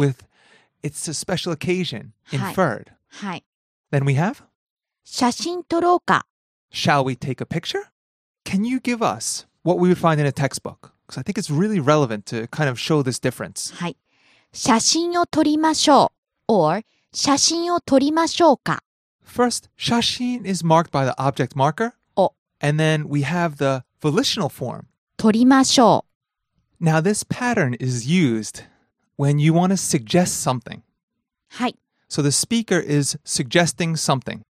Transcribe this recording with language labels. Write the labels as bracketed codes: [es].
[en] With It's a special occasion inferred. [ja] はい。 [en] Then we have? [ja] 写真撮ろうか。 [en] Shall we take a picture? Can you give us what we would find in a textbook? Because I think it's really relevant to kind of show this difference. [ja] はい。写真を撮りましょう。 Or 写真を撮りましょうか。 [en] First, 写真 is marked by the object marker. [ja] お。 [en] And then we have the volitional form. [ja] 撮りましょう。 [en] Now this pattern is used when you want to suggest something. [ja] はい。 [en] So the speaker is suggesting something.